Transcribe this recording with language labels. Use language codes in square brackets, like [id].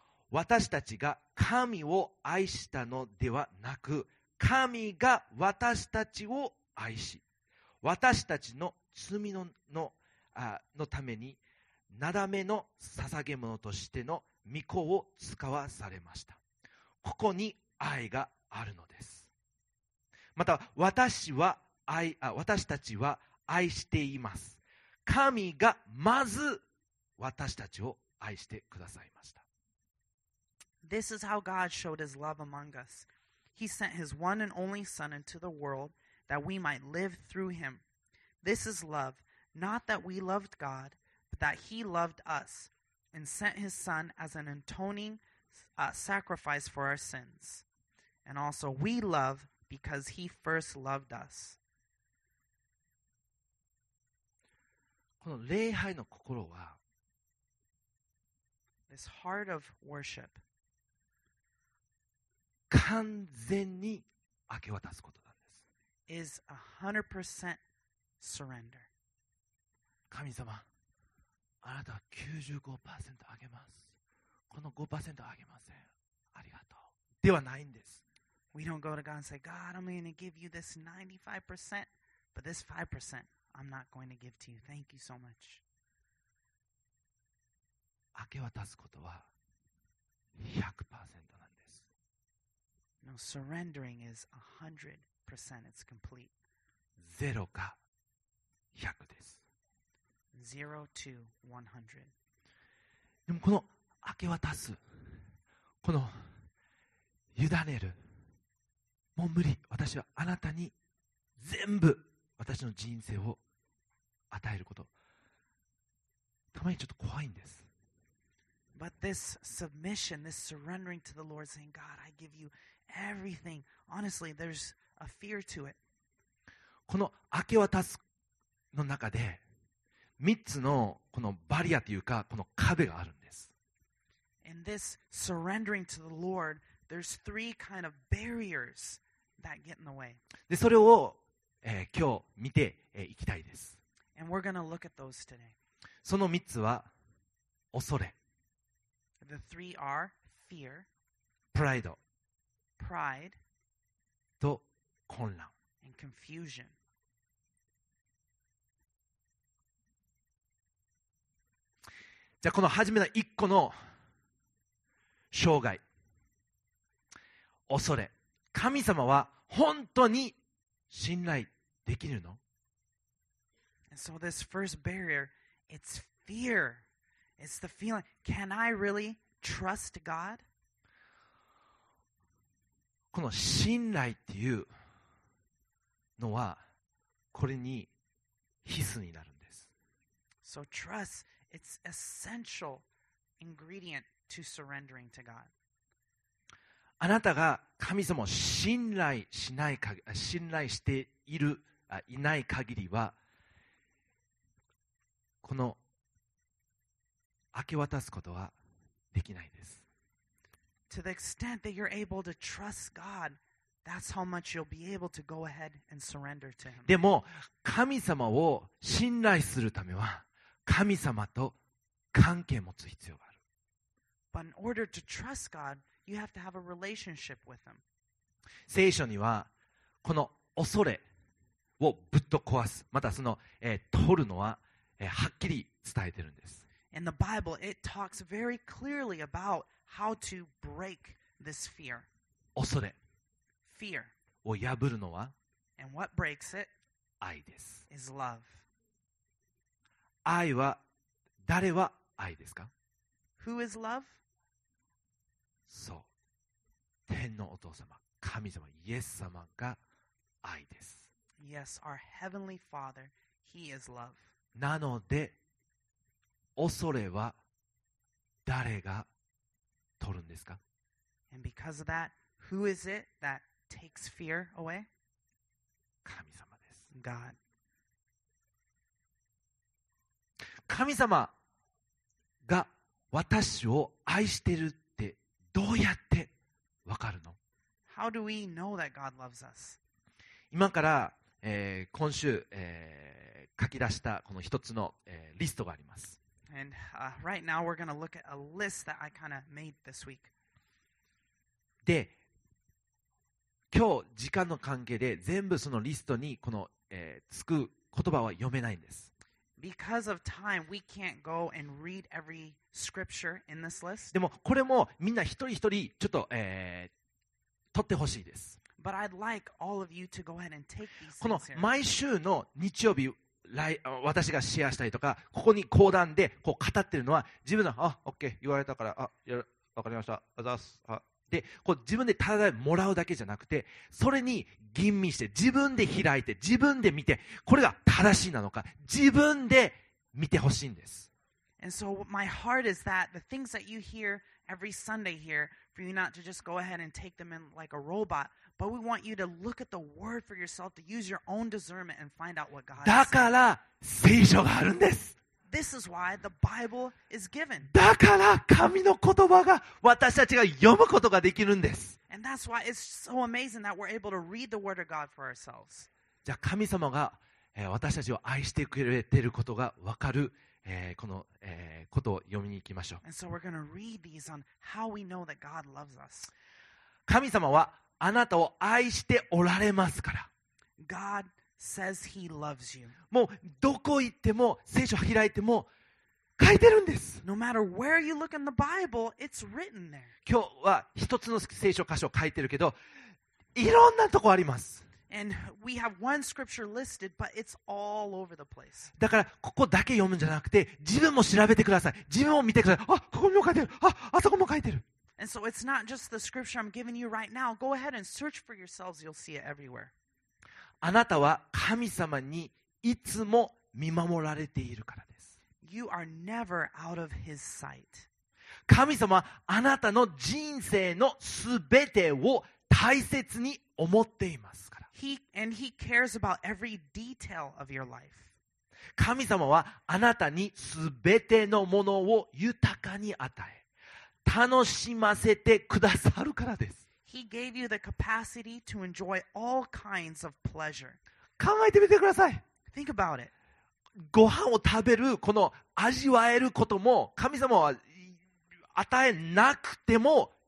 [ja] 私たちが神を愛したのではなく、神が私たちを愛し、私たちの罪 のためになだめの捧げ物としての御子を使わされました。ここに愛があるのです。また私たちは愛しています。神がまず私たちを愛してくださいました。 [en] This is how God showed his love among us. He sent his one and only son into the world that we might live through him. This is love, not that we loved God, but that he loved us and sent his son as an atoning sacrifice for our sins. And also we love because he first loved us. [ja] この礼拝の心は、 [en] This heart of worship. [ja] 完全に明け渡すことなんです。 [en] Is 100% surrender. [ja] 神様、あなたは 95% あげます。この 5% あげません。ありがとう。ではないんです。 [en] We don't go to God and say, God, I'm going to give you this 95%, but this 5%. I'm not going to give to you. Thank you so much. [ja] 明け渡すことは 100% なんです。 [en] No, surrendering is 100%. It's complete. [ja] ゼロか100です。 [en] Zero to 100. [ja] でもこの明け渡す、この委ねる、もう無理。私はあなたに全部私の人生を与えること、たまにちょっと怖いんです。 [en] But this submission, this surrendering to the Lord, saying, God, I give you everything. Honestly, there's a fear to it. [ja] この明け渡すの中で3つのこのバリアというか、この壁があるんです。 [en] In this surrendering to the Lord, there's three kind of barriers that get in the way. [ja] で、それを、今日見て、いきたいです。 [en] And we're gonna look at those today. [ja] その3つは恐れ。 [en] The three are fear. Pride. Pride. [ja] と混乱。 [en] And confusion. [ja] じゃあこの初めの一個の障害。恐れ。神様は本当に信頼できるの？ [en] And so this first barrier, it's fear. It's the feeling, can I really trust God? [ja] この信頼っていうのはこれに必須になるんです。 [en] So trust, it's essential ingredient to surrendering to God. [ja] あなたが神様を信頼しないか、信頼している、いない限りは、この明け渡すことはできないです。 [en] To the extent that you're able to trust God, that's how much you'll be able to go ahead and surrender to Him. [ja] でも、神様を信頼するためは、神様と関係を持つ必要がある。 [en] But in order to trust God,You have to have a relationship with them. [ja] 聖書にはこの恐れをぶっと壊す、またその、取るのは、はっきり伝えてるんです。 [en] In the Bible, it talks very clearly about how to break this fear. [ja] 恐れ。 [en] Fear. [ja] を破るのは、 [en] And what breaks it? [ja] 愛です。 [en] Is love. [ja] 愛は、誰は愛ですか? [en] Who is love? [ja] そう、天のお父様、神様、イエス様が愛です。 [en] Yes, our heavenly Father, He is love. [ja] なので、恐れは誰が取るんですか? [en] And because of that, who is it that takes fear away? [ja] 神様です。 [en] God. [ja] 神様が私を愛しているどうやってわかるの? [en] How do we know that God loves us? [ja] 今から、今週、書き出したこの一つの、リストがあります。 [en] And, right now we're gonna look at a list that I kinda made this week. [ja] で、今日時間の関係で全部そのリストにこの、つく言葉は読めないんです。 [en] Because of time, we can't go and read every scripture in this list. [ja] でもこれもみんな一人一人ちょっと、取ってほしいです。 [en] But I'd like all of you to go ahead and take these. [ja] この毎週の日曜日来私がシェアしたりとかここに講談でこう語ってるのは自分のあ、OK、言われたからあ、やわかりました、あざす、あでこう自分でただもらうだけじゃなくてそれに吟味して自分で開いて自分で見てこれが正しいなのか自分で見てほしいんです。 [en] And so my heart is that the things that you hear every Sunday here for you not to just go ahead and take them in like a robot, but we want you to look at the word for yourself to use your own discernment and find out what God says. [ja] だから聖書があるんです。 [en] This is why the Bible is given. [ja] だから神の言葉が私たちが読むことができるんです。 [en] And that's why it's so amazing that we're able to read the word of God for ourselves. [ja] じゃあ神様が、私たちを愛してくれていることがわかる、この、ことを読みに行きましょう。 [en] And so we're going to read these on how we know that God loves us. [ja] 神様はあなたを愛しておられますから。 [en] God says he loves you. [ja] もうどこ行っても聖書開いても書いてるんです。 [en] No matter where you look in the Bible, it's written there. [ja] 今日は一つの聖書箇所書いてるけど、いろんなとこあります。 [en] And we have one scripture listed, but it's all over the place. [ja] だからここだけ読むんじゃなくて、自分も調べてください。自分も見てください。あ、ここにも書いてる。あ、あそこも書いてる。 [en] And so it's not just the scripture I'm giving you right now. Go ahead and search for yourselves. You'll see it everywhere. [ja] あなたは神様にいつも見守られているからです。 [en] You are never out of his sight. [ja] 神様はあなたの人生のすべてを大切に思っていますから。 [en] He, and he cares about every detail of your life. [ja] 神様はあなたにすべてのものを豊かに与え、楽しませてくださるからです。 [en] He gave you the capacity to enjoy all kinds of pleasure. [ja] 考えてみてください。 [en] Think about it. [ja] ご飯を食べる、この味わえることも、神様は与えなくても